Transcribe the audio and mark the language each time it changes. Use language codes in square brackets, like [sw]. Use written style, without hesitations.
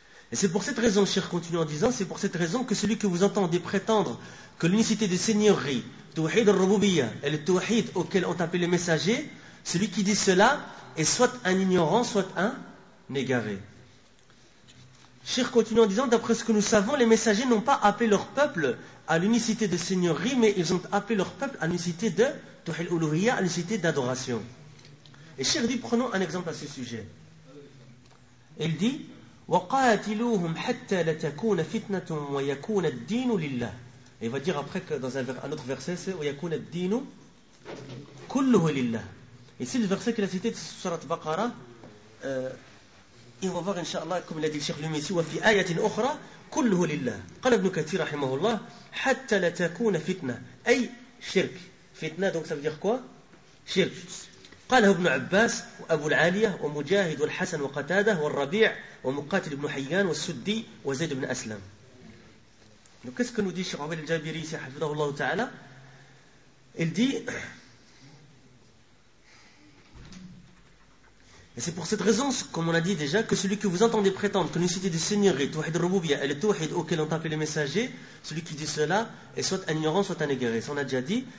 [fr] Et c'est pour cette raison, cher, continue en disant, c'est pour cette raison que celui que vous entendez prétendre que l'unicité des seigneuries, tawhid al-rububiyya, et le tawhid auquel ont appelé les messagers, celui qui dit cela est soit un ignorant, soit un égaré. Cheikh continue en disant, d'après ce que nous savons, les messagers n'ont pas appelé leur peuple à l'unicité de seigneurie, mais ils ont appelé leur peuple à l'unicité de Tawhid Uluhiyya, à l'unicité d'adoration. Et Cheikh dit, prenons un exemple à ce sujet. Il dit, [ar] وَقَاتِلُوهُمْ حَتَّى لَتَكُونَ فِتْنَةٌ وَيَكُونَ الدِّينُ لِلَّهِ. [fr] Il va dire après que dans un autre verset, c'est [ar] وَيَكُونَ الدِّينُ كُلُّهُ لِلَّهِ. [fr] Ici, le verset qu'il a cité, c'est surat Baqara, et on va voir, Inch'Allah, comme l'a dit le Cheikh Lumi ici, [ar] وَفِي آيَةٍ أُخْرَى كُلُّهُ لِلَّهِ. قَالَ ابْنُ كَثِيرٍ رَحِمَهُ اللَّهِ حَتَّى لَتَكُونَ فِتْنَةٌ أي شرك. [fr] فتنة, donc ça veut dire quoi? [ar] شرك. قاله ابن عباس وابو العاليه ومجاهد والحسن وقتاده والربيع ومقاتل بن حيان والسدي وزيد بن اسلم. [fr] Donc qu'est-ce que nous dit Cheikh Abdel Jabiri ici, حفظه الله تعالى? Il dit, et c'est pour cette raison, comme on a dit déjà, que celui que vous entendez prétendre que l'unicité du Seigneur est Tawhid Rububiya et le Tawhid auquel ont appelé les messagers, celui qui dit cela est soit un ignorant, soit un égaré. Ça, on a déjà dit.